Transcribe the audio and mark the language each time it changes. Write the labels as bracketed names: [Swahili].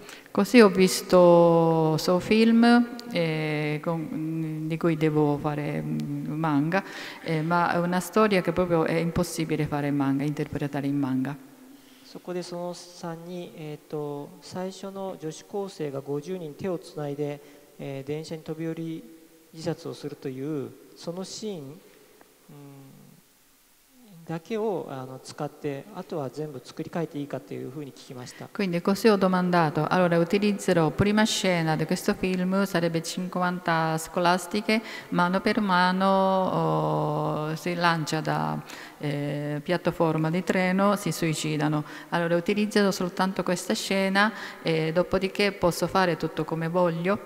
[Italian] Così ho visto suo film, di cui devo fare manga, ma è una storia che proprio è impossibile fare in manga, interpretare in manga. [Japanese] そこでその3人、最初の女子高生が50人手をつないで電車に飛び降り自殺をするというそのシーンだけを使って、あとは全部作り変えていいかというふうに聞きました。 [Italian] Quindi così ho domandato. Allora, utilizzerò prima scena di questo film, sarebbe 50 scolastiche, mano per mano si lancia da piattaforma di treno, si suicidano. Allora utilizzo soltanto questa scena e dopodiché posso fare tutto come voglio?